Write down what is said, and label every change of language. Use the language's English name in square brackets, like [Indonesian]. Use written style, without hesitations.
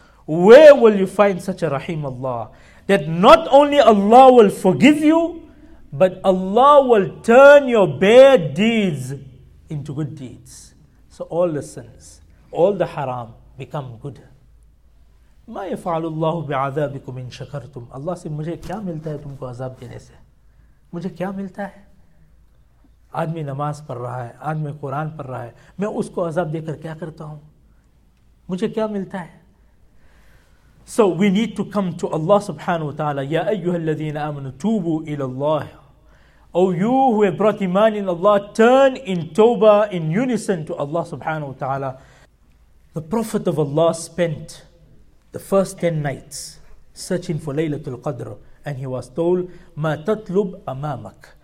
[English] Where will you find such a Rahim Allah? That not only Allah will forgive you, but Allah will turn your bad deeds into good deeds. So all the sins, all the haram become good. [Arabic] مَا يَفْعَلُ اللَّهُ بِعَذَابِكُمْ إِن شَكَرْتُمْ. [English] Allah says, [Urdu] مجھے کیا ملتا ہے تم کو عذاب دینے سے؟ مجھے کیا ملتا ہے؟ آدمی نماز پڑھ رہا ہے, آدمی قرآن پڑھ رہا ہے, میں اس کو عذاب دے کر کیا کرتا ہوں؟ مجھے کیا ملتا ہے؟ [English] So we need to come to Allah subhanahu wa ta'ala. [Arabic] يَا أَيُّهَا الَّذِينَ آمَنُوا تُوبُوا إِلَى اللَّهِ. [English] O you who have brought iman in Allah, turn in tawbah in unison to Allah subhanahu wa ta'ala. The Prophet of Allah spent the first 10 nights searching for Laylatul Qadr, and he was told, [Arabic] مَا تَطْلُبْ أَمَامَكَ.